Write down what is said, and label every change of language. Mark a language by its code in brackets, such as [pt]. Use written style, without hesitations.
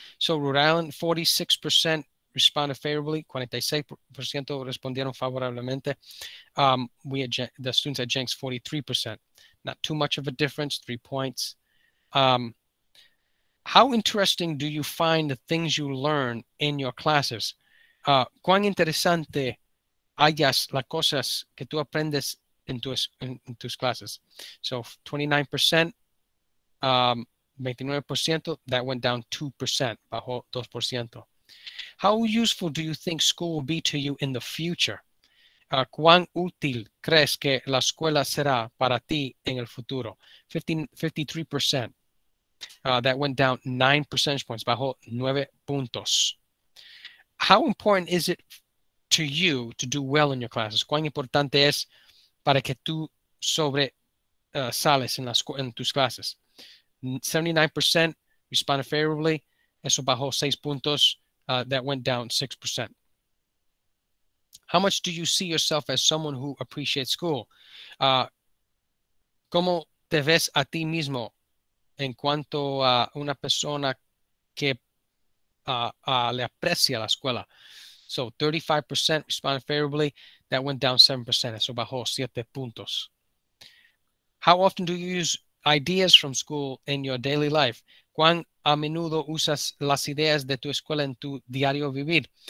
[en] So Rhode Island, 46% responded favorably. [es] 46% respondieron favorablemente. [en] The students at Jenks, 43%. Not too much of a difference, 3 points. How interesting do you find the things you learn in your classes? [es] ¿Cuán interesante hayas las cosas que tú aprendes en tus clases? [en] So 29%, 29%, that went down 2%, [es] bajo 2%. [en] How useful do you think school will be to you in the future? [es] ¿Cuán útil crees que la escuela será para ti en el futuro? [en] 53%. That went down 9 percentage points, [es] bajo 9 puntos. [en] How important is it to you to do well in your classes? [es] ¿Cuán importante es para que tú sobresales en tus clases? [en] 79% responded favorably. [es] Eso bajó 6 puntos. [en] That went down 6%. How much do you see yourself as someone who appreciates school? [es] ¿Cómo te ves a ti mismo en cuanto a una persona que le aprecia la escuela? [en] So 35% responded favorably. That went down 7%. [es] Eso bajó 7 puntos. [en] How often do you use ideas from school in your daily life? [es] ¿Cuán a menudo usas las ideas de tu escuela en tu diario vivir?